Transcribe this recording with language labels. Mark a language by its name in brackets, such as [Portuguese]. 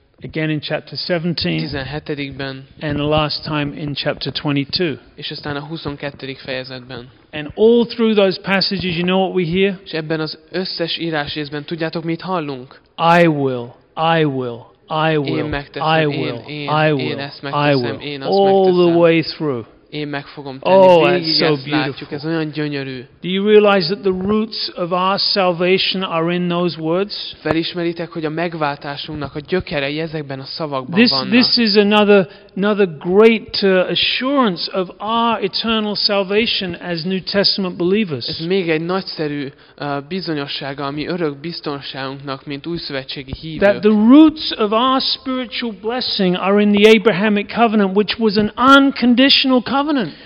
[English] Again in chapter 17, and the last time in chapter 22. [Hungarian] És aztán a 22. fejezetben. [English] And all through those passages, you know what we hear? [Hungarian] És ebben az összes írásrészben tudjátok mit hallunk? [English] I will, I will, I will, [Hungarian] én megteszem, [English] I will, I will, I will, I will, all the way through. [Hungarian] Én meg fogom tenni. Oh, [English] that's so beautiful. [Hungarian] Ez olyan gyönyörű. [English] Do you realize that the roots of our salvation are in those words? [Hungarian] Felismeritek, hogy a megváltásunknak a gyökerei ezekben a szavakban vannak. [English] This is another great assurance of our eternal salvation as New Testament believers. [Hungarian] Ez még egy nagyszerű bizonyossága, ami örök biztonságunknak, mint újszövetségi hívők. [English] That the roots of our spiritual blessing are in the Abrahamic covenant, which was an unconditional covenant.